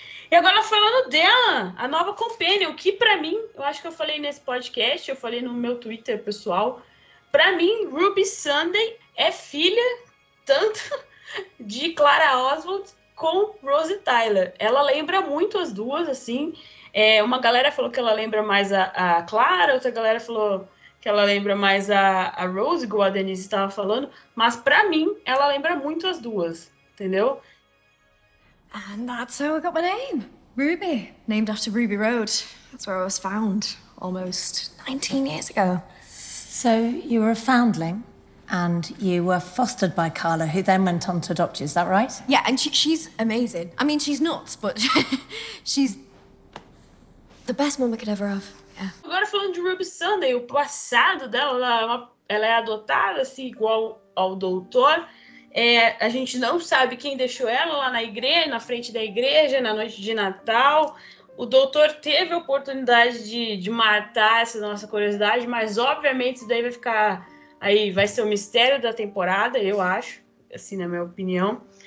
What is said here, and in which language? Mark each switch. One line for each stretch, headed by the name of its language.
Portuguese: E agora falando dela, a nova Companion, que pra mim, eu acho que eu falei nesse podcast, eu falei no meu Twitter pessoal, pra mim, Ruby Sunday é filha tanto de Clara Oswald com Rose Tyler. Ela lembra muito as duas, assim. É, uma galera falou que ela lembra mais a Clara, outra galera falou que ela lembra mais a Rose, igual a Denise estava falando. Mas pra mim, ela lembra muito as duas, entendeu?
English: And that's how I got my name. Ruby. Named after Ruby Road. That's where I was found almost 19 years ago. So you were a foundling and you were fostered by Carla, who then went on to adopt you, is that right? Yeah, and she's amazing. I mean, she's nuts, but she's the best mom I could ever have. Yeah.
Portuguese: Agora falando de Ruby Sunday, o passado dela, ela é adotada assim igual ao doutor. É, a gente não sabe quem deixou ela lá na igreja, na frente da igreja, na noite de Natal. O doutor teve a oportunidade de matar essa nossa curiosidade, mas obviamente isso daí vai ficar aí, vai ser o mistério da temporada, eu acho, assim, na minha opinião.